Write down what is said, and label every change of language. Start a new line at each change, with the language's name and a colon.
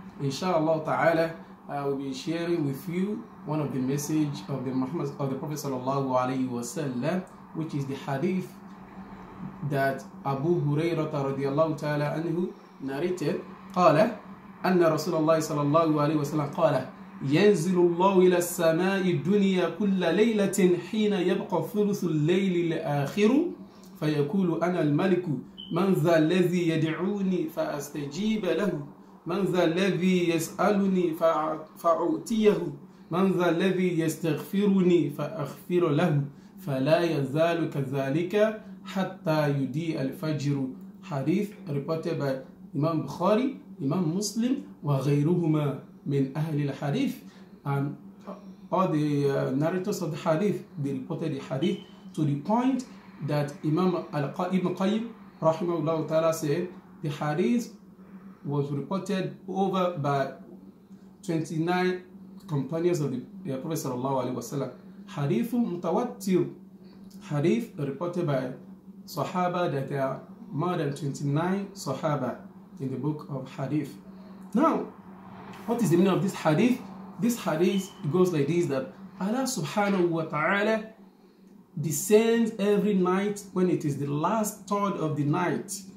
English: Inshallah ta'ala, I will be sharing with you one of the messages of the Muhammad of the Prophet sallallahu alayhi wa sallam, which is the hadith that Abu Hurairah radiallahu ta'ala anhu narrated.
Arabic: Qala, anna Rasulullah sallallahu alayhi wa sallam qala, ينزل الله إلى السماء الدنيا كل ليلة حين يبقى ثلث الليل الآخر فيقول أنا الملك من ذا الذي يدعوني فأستجيب له من ذا الذي يسألني فأعطيه من ذا الذي يستغفرني فأغفر له فلا يزال كذلك حتى يضيء الفجر حديث
English: reported by
Arabic: Imam Bukhari, Imam Muslim وغيرهما من أهل الحديث and
English: all the narrators of the hadith, they reported the hadith to the point that Imam Ibn Qayyim rahimahullah ta'ala said the hadith was reported over by 29 companions of the Prophet sallallahu alayhi wa sallam. Hadith mutawatir, hadith reported by sahaba, that there are more than 29 sahaba in the book of hadith. Now, what is the meaning of this hadith? This hadith goes like this, that Allah subhanahu wa ta'ala descends every night when it is the last third of the night.